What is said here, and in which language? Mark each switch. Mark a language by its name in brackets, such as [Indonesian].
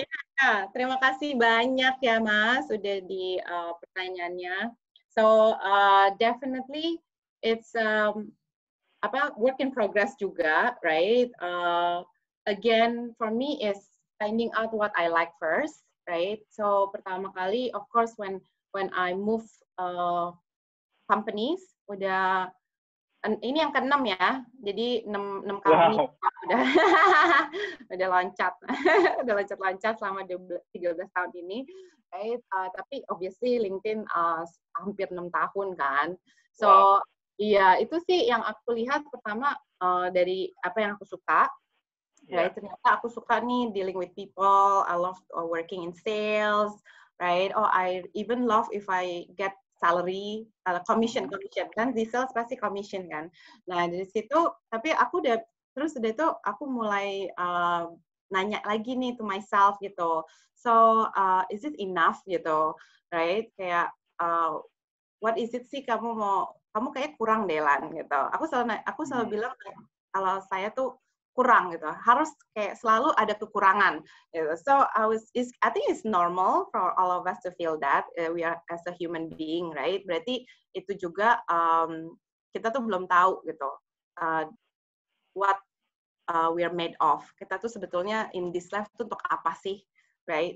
[Indonesian] Ya, terima kasih banyak ya Mas, sudah di pertanyaannya. [English] So definitely it's apa work in progress juga, right? Again, for me is finding out what I like first, right? [Indonesian] So pertama kali, [English] of course, when I move companies, [Indonesian] udah ini yang keenam ya, jadi enam kali udah udah loncat, udah loncat selama 13 tahun ini, right? Tapi obviously LinkedIn hampir 6 tahun kan, [English] so wow. [Indonesian] Iya itu sih yang aku lihat pertama dari apa yang aku suka. [English] Yeah. [Indonesian] Right, ternyata aku suka nih [English] dealing with people. I love working in sales, right? Oh, I even love if I get salary, commission kan? [Indonesian] Di sales pasti commission kan. Nah dari situ, tapi aku udah terus dari itu aku mulai nanya lagi nih [English] to myself [Indonesian] gitu. [English] So is it enough [Indonesian] gitu, [English] right? [Indonesian] Kayak [English] what is it [Indonesian] sih kamu mau? Kamu kayak kurang deh lan gitu. Aku selalu bilang kalau saya tuh kurang gitu, harus kayak selalu ada kekurangan gitu. [English] So I think it's normal for all of us to feel that we are as a human being, right? [Indonesian] Berarti itu juga kita tuh belum tahu gitu [English] what we are made of. [Indonesian] Kita tuh sebetulnya [English] in this life [Indonesian] tuh untuk apa sih, right?